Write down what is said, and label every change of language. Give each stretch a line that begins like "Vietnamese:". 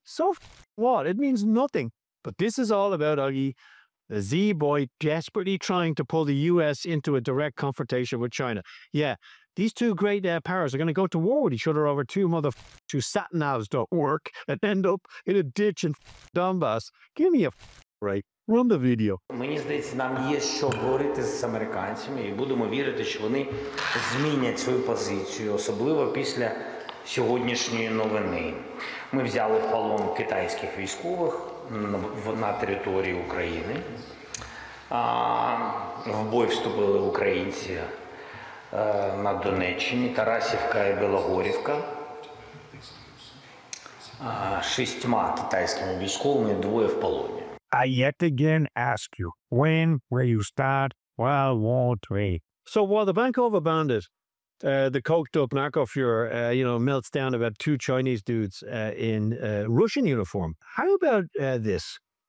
English: So what? It means nothing. But this is all about Augie, the Z-boy desperately trying to pull the US into a direct confrontation with China. Yeah, these two great powers are going to go to war with each other over two motherfuckers whose sat navs don't work and end up in a ditch in Donbass. Give me a break. Run the video.
Ukrainian: Мені здається, нам є що говорити з американцями, і будемо вірити, що вони змінять свою позицію, особливо після сьогоднішньої новини. Ми взяли в полон китайських військових на території України. В бой вступили українці на Донеччині, Тарасівка і Білогорівка. Шістьма китайськими військовими, двоє в полоні.
English: I yet again ask you, when will you start World War III? So while the Vancouver bandit, the coked-up narco-fuhrer, you know, melts down about two Chinese dudes in Russian uniform, how about this?